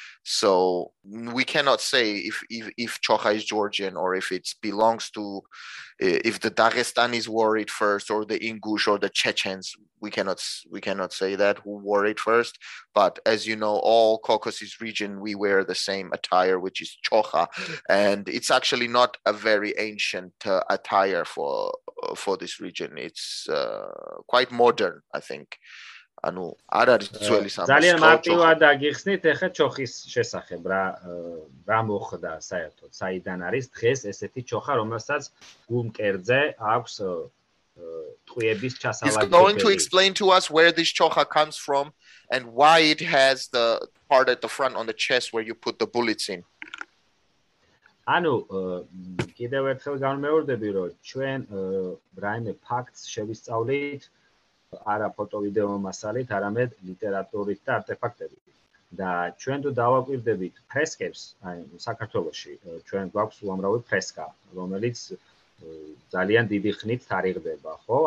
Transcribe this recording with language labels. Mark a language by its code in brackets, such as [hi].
[en] So we cannot say if chocha is Georgian, or if it belongs to, if the Dagestanis wore it first, or the Ingush or the Chechens. We cannot say that who wore it first. But as you know, all Caucasus region, we wear the same attire, which is chocha. And it's actually not a very ancient attire for this region. It's quite modern, I think. [ka] ანუ არ არის ძველი სამოსი. ძალიან მარტივად აგიხსნით ეხა ჩოხის შესახებ რა რა მოხდა საერთოდ. საიდან არის დღეს ესეთი ჩოხა, რომელსაც გულმკერდზე აქვს ტყუების ჩასავალი. [en] He's going to explain to us where this chocha comes from and why it has the part at the front on the chest where you put the bullets in. [ka] ანუ კიდევ ერთხელ განმეორდები, რომ ჩვენ რაიმე ფაქტს შევისწავლით არა ფოტო ვიდეო მასალით, არამედ ლიტერატურით და არტეფაქტებით. და ჩვენ თუ დავაკვირდებით ფრესკებს, აი საქართველოში ჩვენ გვაქვს უამრავი ფრესკა, რომელიც ძალიან დიდი ხნით თარიღდება, ხო?